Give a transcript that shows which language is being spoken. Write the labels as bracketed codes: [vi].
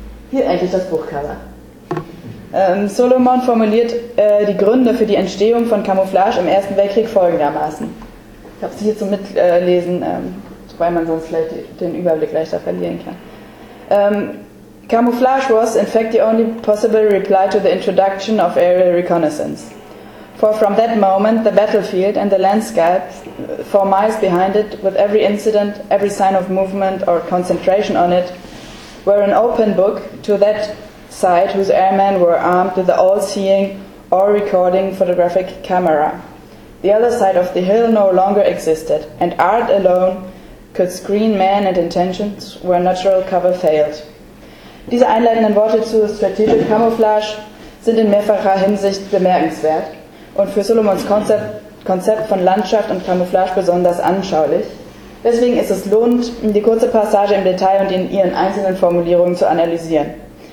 [de] Hier endlich das Buchcover. Solomon formuliert die Gründe für die Entstehung von Camouflage im Ersten Weltkrieg folgendermaßen. Ich habe sie hier zum Mitlesen, wobei man sonst vielleicht den Überblick leichter verlieren kann. [en] Camouflage was, in fact, the only possible reply to the introduction of aerial reconnaissance. For from that moment, the battlefield and the landscape, 4 miles behind it, with every incident, every sign of movement or concentration on it, were an open book to that side whose airmen were armed with the all-seeing, all-recording photographic camera. The other side of the hill no longer existed, and art alone could screen man and intentions where natural cover failed. [de] Diese einleitenden Worte zu Strategic Camouflage sind in mehrfacher Hinsicht bemerkenswert und für Solomons Konzept von Landschaft und Camouflage besonders anschaulich. Deswegen ist es lohnend, die kurze Passage im Detail und in ihren einzelnen Formulierungen zu analysieren.